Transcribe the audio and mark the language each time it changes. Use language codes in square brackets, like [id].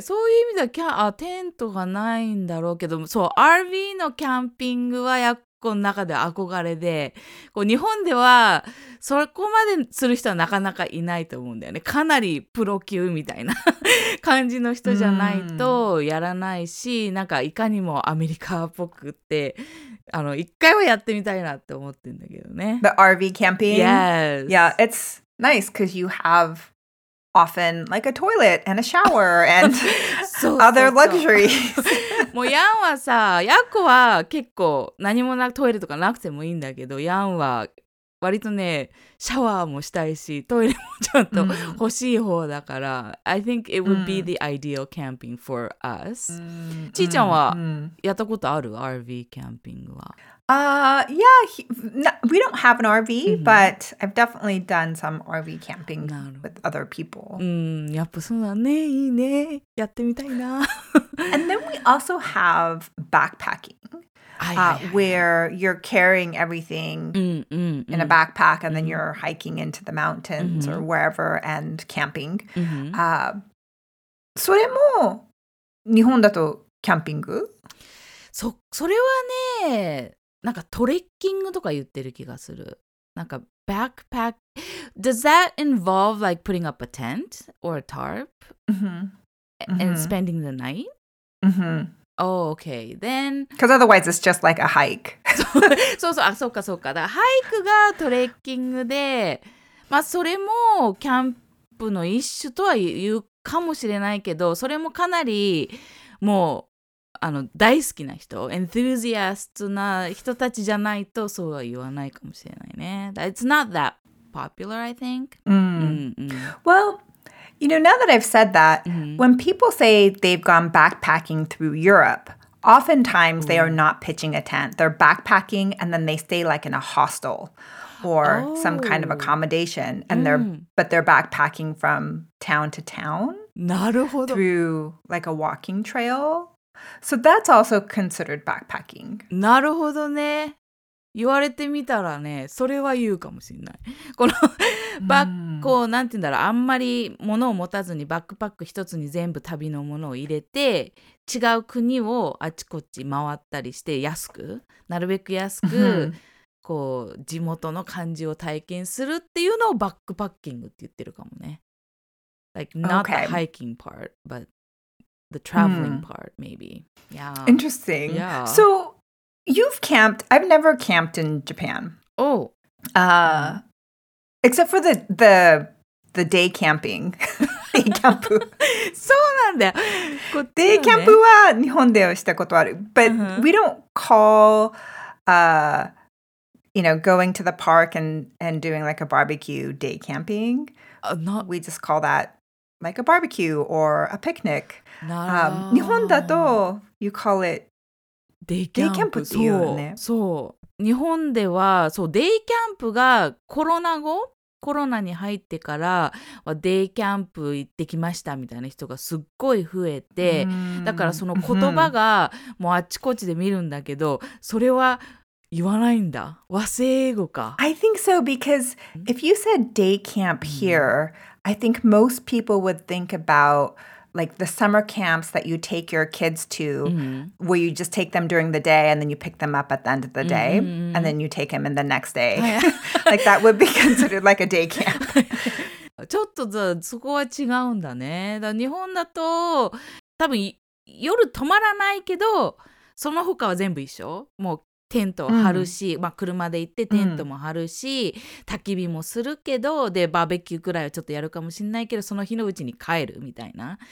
[ja] そういう意味ではテントがないんだろうけども、そう、RV のキャンピングはやっこの中で憧れで、こう日本ではそこまでする人はなかなかいないと思うんだよね。かなりプロ級みたいな感じの人じゃないとやらないし、なんかいかにもアメリカっぽくって、一回はやってみたいなって思ってるんだけどね。 [en] The RV camping? Yes. Yeah, it's nice because you have often like a toilet and a shower and other luxuries. [ja] もうヤンはさ、ヤコは結構何もなくトイレとかなくてもいいんだけど、ヤンは割とね、シャワーもしたいし、トイレもちょっと欲しい方だから、 [en] I think it would be the ideal camping for us. [ja] ちーちゃんはやったことある RV キャンピングは？ [en] Yeah, we don't have an RV, but I've definitely done some RV camping with other people. [ja] やっぱそうだね、いいね、やってみたいな。 [en] And then we also have backpacking. Where you're carrying everything in a backpack and then you're hiking into the mountains or wherever and camping. [ja] それも日本だとキャンピング？それはね、なんかトレッキングとか言ってる気がする。なんかバックパック。 [en] Does that involve like putting up a tent or a tarp? And spending the night? Oh, okay. Then... Because otherwise it's just like a hike. [ja] そうそう、あ、そうかそうか。だからハイクがトレッキングで、まあそれもキャンプの一種とは言うかもしれないけど、それもかなりもう大好きな人、enthusiast な人たちじゃないとそうは言わないかもしれないね。 [en] It's not that popular, I think. Well... You know, now that I've said that, when people say they've gone backpacking through Europe, oftentimes they are not pitching a tent. They're backpacking and then they stay like in a hostel or some kind of accommodation. And they're backpacking from town to town through like a walking trail. So that's also considered backpacking. [ja] なるほどね。言われてみたらね、それは言うかもしれない。このバッグをなんて言うんだろう、あんまり物を持たずにバックパック一つに全部旅のものを入れて、違う国をあちこち回ったりして安く、なるべく安く、こう地元の感じを体験するっていうのをバックパッキングって言ってるかもね。 [en] Like not the hiking part, but the traveling part maybe. Yeah. Interesting. Yeah. So You've camped. I've never camped in Japan. Oh. Except for the day camping. Day camp. So on that. [ja] Day camp wa nihon de wa shita koto aru. [en] But we don't call you know, going to the park and doing like a barbecue day camping. Not we just call that like a barbecue or a picnic. [ja] Nihon [en] da to you call it day camp [ja] to you, ne? So 日本ではそうデイキャンプがコロナ後コロナに入ってからはデイキャンプ行ってきましたみたいな人がすっごい増えて、mm. だからその言葉がもうあっちこっちで見るんだけど、mm. それは言わないんだ和製英語か [en] I think so because if you said day camp here、mm. I think most people would think aboutLike the summer camps that you take your kids to, mm-hmm. where you just take them during the day and then you pick them up at the end of the day, mm-hmm. and then you take them in the next day. Like that would be considered like a day camp. [ja] ちょっとそこは違うんだね。だ日本だと多分夜泊まらないけど、その他は全部一緒。もうテントを張るし、うん、まあ車で行ってテントも張るし、うん、焚き火もするけど、で、バーベキューくらいはちょっとやるかもしれないけど、その日のうちに帰るみたいな。